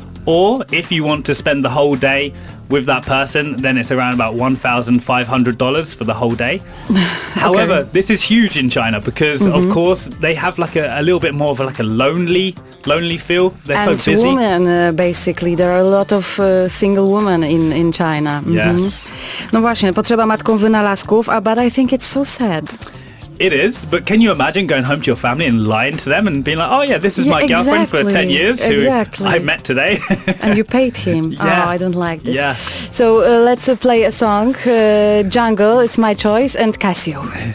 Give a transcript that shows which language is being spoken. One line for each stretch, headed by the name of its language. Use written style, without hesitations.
English: Or if you want to spend the whole day with that person, then it's around about $1,500 for the whole day. Okay. However, this is huge in China because, mm-hmm, of course, they have like a little bit more of like a lonely feel. They're and so busy. And women, basically. There are a lot of single women in China. Mm-hmm. Yes.
Polish: No właśnie, potrzeba matką wynalazków,
English: but I think it's so sad. It is, but can you imagine going home to your family and lying to them and being like, oh yeah, this is my girlfriend for 10 years who I met today. And you paid him. Yeah. Oh, I don't like this. Yeah. So let's play a song, Jungle, It's My Choice, and Casio.